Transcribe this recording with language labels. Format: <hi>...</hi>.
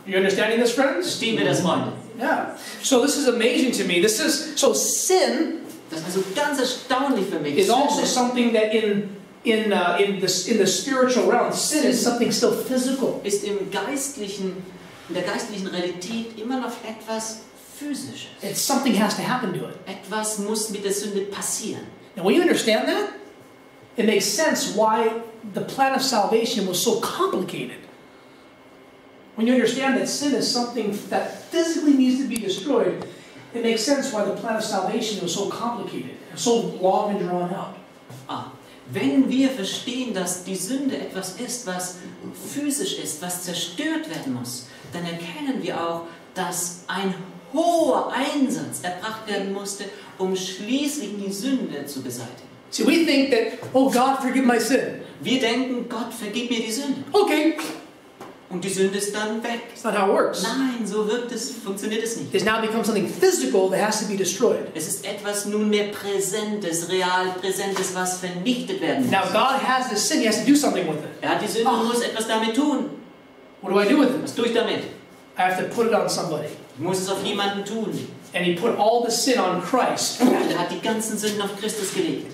<en>You understanding this, friends?</en> <de>Stehen wir das, Freunde?</de> <en>Yeah. So this is amazing to me. This is so sin.</en> <de>Das ist also ganz erstaunlich für mich.</de> <en>Is also something that in the spiritual realm, sin is something still physical.</en> <de>Ist im geistlichen, in der geistlichen Realität immer noch etwas Physisches.</de> <en>It's something has to happen to it.</en> <de>Etwas muss mit der Sünde passieren.</de> <en>Now, when you understand that, it makes sense why the plan of salvation was so complicated. When you understand that sin is something that physically needs to be destroyed, it makes sense why the plan of salvation was so complicated, so long and drawn out.</en> <de>Wenn wir verstehen, dass die Sünde etwas ist, was physisch ist, was zerstört werden muss, dann erkennen wir auch, dass ein hoher Einsatz erbracht werden musste, um schließlich die Sünde zu beseitigen.</de> <en>See, we think that, oh God, forgive my sin.</en> <de>Wir denken, Gott, vergib mir die Sünde.</de> <en>Okay.</en> <de>Und die Sünde ist dann weg.</de> <en>That's not how it works.</en> <de>Nein, so wirkt es, funktioniert es nicht.</de> <en>It's now become something physical that has to be destroyed.</en> <de>Es ist etwas nunmehr Präsentes, real Präsentes, was vernichtet werden muss.</de> <en>Now God has this sin, he has to do something with it.</en> <de>Er hat die Sünde und muss etwas damit tun.</de> <en>What do I do with it?</en> <de>Was tue ich damit?</de> <en>I have to put it on somebody.</en> <de>Muss es auf jemanden tun.</de> <en>And he put all the sin on Christ.</en> <de>Und er hat die ganzen Sünden auf Christus gelegt.</de>